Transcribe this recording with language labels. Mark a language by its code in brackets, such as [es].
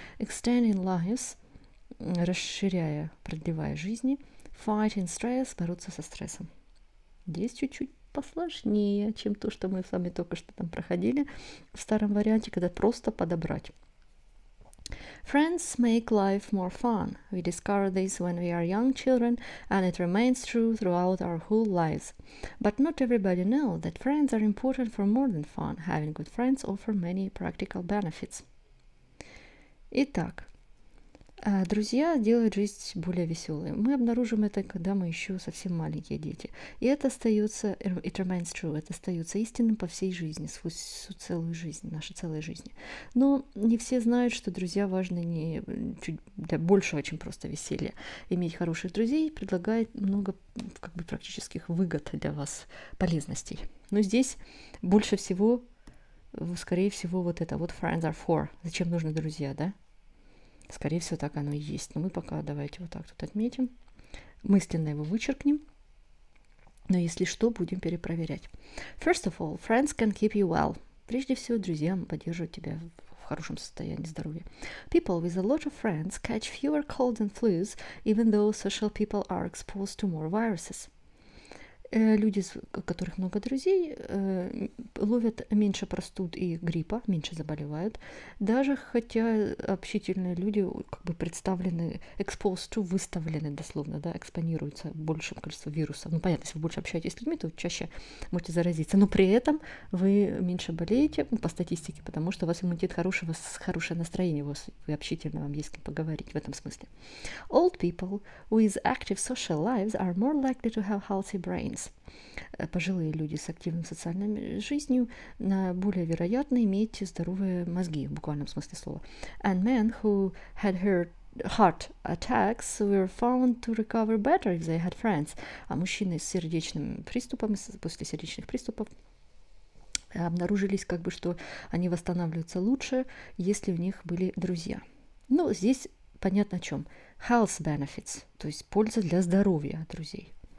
[en] Extending lives, [ru] расширяя, продлевая жизни. [en] Fighting stress, [ru] бороться со стрессом. Здесь чуть-чуть посложнее, чем то, что мы с вами только что там проходили в старом варианте, когда просто подобрать. [en] Friends make life more fun. We discover this when we are young children, and it remains true throughout our whole lives. But not everybody knows that friends are important for more than fun. Having good friends offer many practical benefits. [ru] Итак, друзья делают жизнь более веселой. Мы обнаружим это, когда мы еще совсем маленькие дети. И это остается, [en] it remains true, [ru] это остается истинным по всей жизни, всю целую жизнь, нашей целой жизни. Но не все знают, что друзья важны не чуть для большего, чем просто веселье. Иметь хороших друзей предлагает много как бы практических выгод для вас, полезностей. Но здесь больше всего, скорее всего, вот это, вот [en] friends are for, [ru] зачем нужны друзья, да? Скорее всего, так оно и есть. Но мы пока давайте вот так тут отметим. Мысленно его вычеркнем. Но если что, будем перепроверять. [en] First of all, friends can keep you well. [ru] Прежде всего, друзья поддерживают тебя в хорошем состоянии здоровья. [en] People with a lot of friends catch fewer colds and flus, even though social people are exposed to more viruses. [ru] Люди, у которых много друзей, ловят меньше простуд и гриппа, меньше заболевают, даже хотя общительные люди как бы представлены, [en] exposed to, [ru] выставлены дословно, да, экспонируются большим количеством вирусов. Ну, понятно, если вы больше общаетесь с людьми, то чаще можете заразиться, но при этом вы меньше болеете, ну, по статистике, потому что у вас иммунитет хороший, у вас хорошее настроение, у вас вы общительно, вам есть с кем поговорить в этом смысле. [en] Old people with active social lives are more likely to have healthy brains. [ru] Пожилые люди с активной социальной жизнью на более вероятно иметь здоровые мозги, в буквальном смысле слова. [en] And men who had heart attacks were found to recover better if they had friends. [ru] А мужчины с сердечным приступом, после сердечных приступов, обнаружились, как бы, что они восстанавливаются лучше, если у них были друзья. Ну, здесь понятно о чем. [en] Health benefits, [ru] то есть польза для здоровья друзей.